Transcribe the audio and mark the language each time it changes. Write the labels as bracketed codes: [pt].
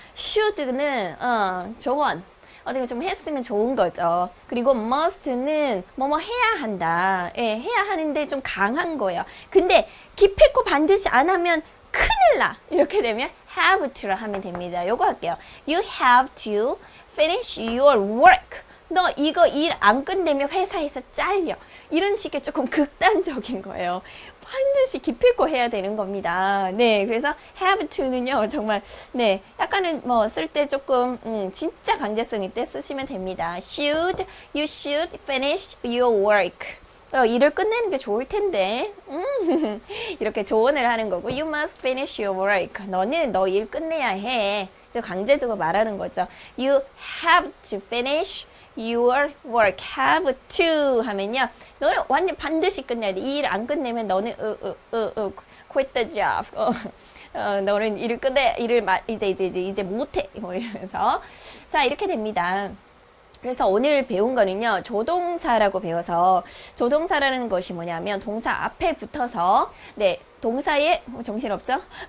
[ko] Should는 조언. 어떻게 좀 했으면 좋은 거죠. 그리고 must는 뭐뭐 해야 한다. 예, 해야 하는데 좀 강한 거예요. 근데 기필코 반드시 안 하면 큰일 나. 이렇게 되면 have to로 하면 됩니다. 요거 할게요. [en] You have to finish your work. [ko] 너 이거 일안 끝내면 회사에서 잘려. 이런 식의 조금 극단적인 거예요. 반드시 기필코 해야 되는 겁니다. 네, 그래서 have to는요, 정말, 네, 약간은 뭐, 쓸때 조금, 진짜 강제성 있게 쓰시면 됩니다. [en] Should, you should finish your work. [ko] 일을 끝내는 게 좋을 텐데, 이렇게 조언을 하는 거고, [en] you must finish your work. [ko] 너는 너일 끝내야 해. 또 강제적으로 말하는 거죠. [en] You have to finish your work, have to 하면요. [ko] 너는 완전 반드시 끝내야 돼. 일안 끝내면 너는, [en] quit the job. [ko] 너는 일을 끝내, 일을 마, 이제 못해. 뭐 이러면서. 자, 이렇게 됩니다. 그래서 오늘 배운 거는요, 조동사라고 배워서, 조동사라는 것이 뭐냐면, 동사 앞에 붙어서, 네, 동사에, 정신없죠?